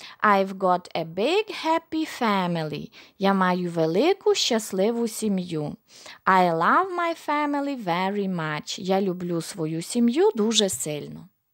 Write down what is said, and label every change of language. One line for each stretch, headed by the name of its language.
English: I've got a big happy family.
Ukrainian: Я маю велику щасливу сім'ю.
English: I love my family very much.
Ukrainian: Я люблю свою сім'ю дуже сильно.